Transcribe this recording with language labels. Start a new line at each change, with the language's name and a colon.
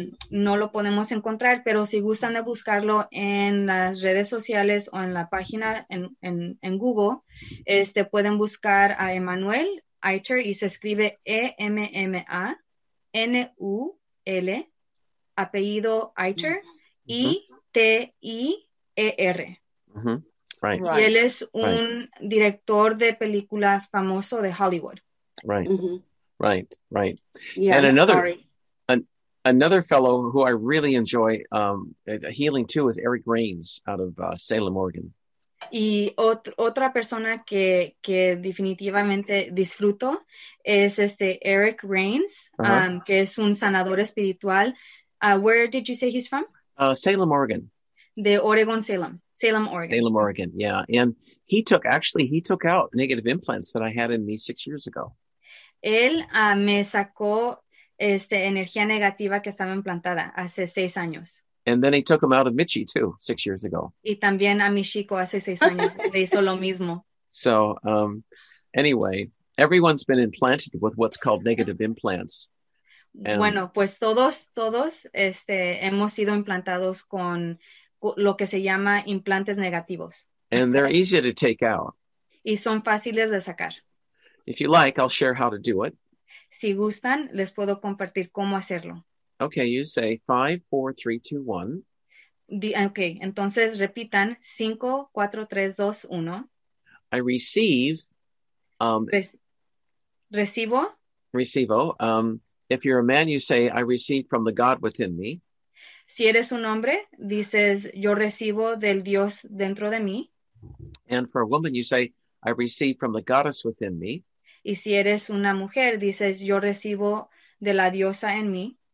Spanish: No lo podemos encontrar, pero si gustan de buscarlo en las redes sociales o en la página en Google, pueden buscar a Emmanuel Itier y se escribe Emmanuel, apellido Itier, Itier.
English: Mm-hmm. Right.
Spanish: Y él es un director de película famoso de Hollywood.
English: Right, mm-hmm. Right, right. Yeah, Another fellow who I really enjoy healing too is Eric Rains out of Salem, Oregon.
Spanish: Y otra persona que definitivamente disfruto es Eric Rains, uh-huh. Que es un sanador espiritual.
English: Where did you say he's from? Salem, Oregon.
Spanish: De Oregon, Salem. Salem, Oregon.
English: Salem, Oregon, yeah. And he took out negative implants that I had in me 6 years ago.
Spanish: Él me sacó energía negativa que estaba implantada hace 6 años.
English: And then he took them out of Mitchie too, 6 years ago.
Spanish: Y también a mi chico hace 6 años le hizo lo mismo.
English: So, anyway, everyone's been implanted with what's called negative implants.
Spanish: Bueno, pues todos hemos sido implantados con lo que se llama implantes negativos.
English: And they're easy to take out.
Spanish: Y son fáciles de sacar.
English: If you like, I'll share how to do it.
Spanish: Si gustan, les puedo compartir cómo hacerlo.
English: Okay, you say 5, 4, 3, 2, 1.
Spanish: Okay, entonces repitan 5, 4, 3, 2, 1.
English: I receive.
Spanish: Recibo. Recibo.
English: If you're a man, you say I receive from the God within me.
Spanish: Si eres un hombre, dices yo recibo del Dios dentro de mí.
English: And for a woman, you say I receive from the goddess within me.
Spanish: Y si eres una mujer, dices, yo recibo de la diosa en mí.